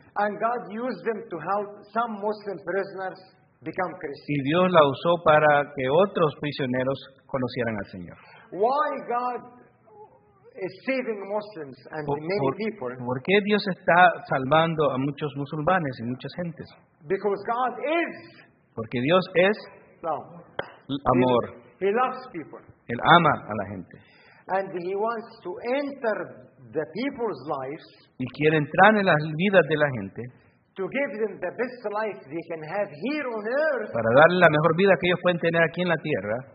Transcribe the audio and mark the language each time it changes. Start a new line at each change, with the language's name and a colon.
English: And God used them to help some Muslim prisoners become Christians.
Spanish: Y Dios la usó para que otros prisioneros conocieran al Señor.
English: Why God is saving Muslims and many people.
Spanish: ¿Por qué Dios está salvando a muchos musulmanes y muchas gentes?
English: Because God is.
Spanish: Porque Dios es.
English: Love.
Spanish: Amor.
English: He loves people.
Spanish: Él ama a la gente.
English: And he wants to enter the people's lives.
Spanish: Y quiere entrar en las vidas de la gente.
English: To give them the best life they can have here on earth.
Spanish: Para darle la mejor vida que ellos pueden tener aquí en la tierra.